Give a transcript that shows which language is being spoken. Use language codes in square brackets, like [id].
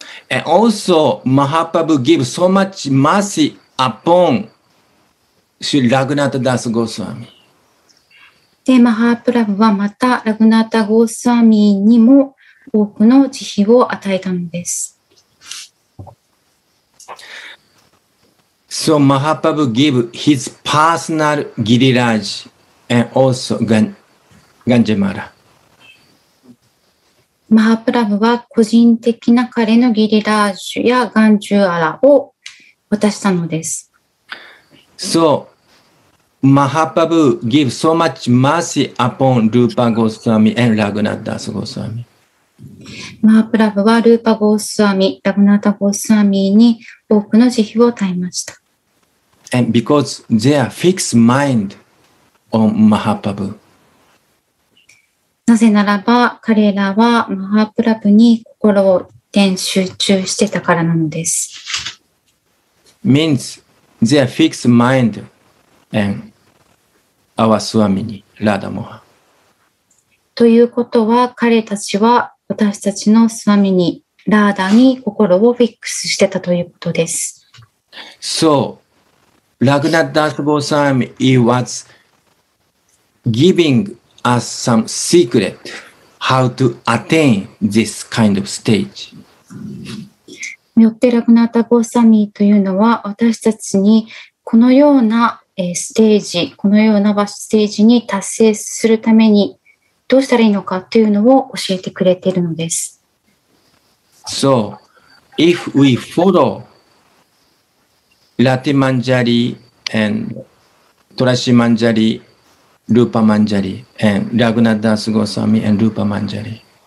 [en] And also Mahaprabhu gave so much mercy upon Sri Raghunatha Das Goswami. [ja] でマハプラブはまたラグナタゴスワミにも多くの慈悲を与えたのです。 [en] So Mahaprabhu gave his personal Giriraj and also Ganjamara. [ja] Mahaprabhu は個人的な彼のギリラージュやガンジュアラを渡したのです。 [en] So Mahaprabhu gave so much mercy upon Rupa Goswami and Raghunath Das Goswami. [ja] マハプラブはルーパゴースワミ、ラグナタゴースワミに多くの慈悲を与えました。 [en] And because they are fixed mind on Mahaprabhu. [ja] なぜならば彼らはマハプラブに心を点集中してたからなのです。 [en] Means they are fixed mind and our Swami にラダモハ。 [ja] ということは彼たちは私たちのスワミにラーダに心をフィックスしてたということです。 [en] So, Raghunath Das Goswami was giving us some secret how to attain this kind of stage. [ja] よってラグナタゴスワミというのは私たちにこのようなステージ、このようなステージに達成するためにどうしたらいいのかというのを教えてくれているのです。 [en] So, if we follow Lati Manjari and Trashi Manjari, Rupa Manjari and Raghunath Das Goswami and Rupa Manjari.